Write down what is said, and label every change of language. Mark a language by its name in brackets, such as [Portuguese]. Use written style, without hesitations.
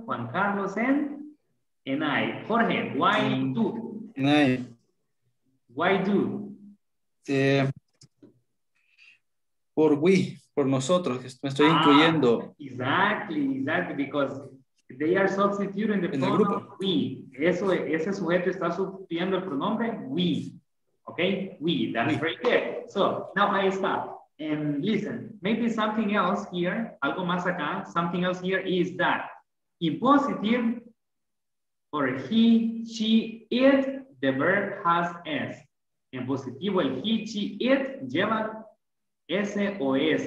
[English] Juan Carlos, and I. Jorge, why do? And I. Why do? [Spanish] Por we, por nosotros, me estoy incluyendo. [English] Exactly, because they are substituting the pronoun we. [Spanish] Eso, ese sujeto está sustituyendo el pronombre we. [English] Okay, we, that is very good. So, now I stop. And listen, maybe something else here, [Spanish] algo más acá, [English] something else here is that in positive, for he, she, it, the verb has s. [Spanish] En positivo, el he, she, it lleva S o S.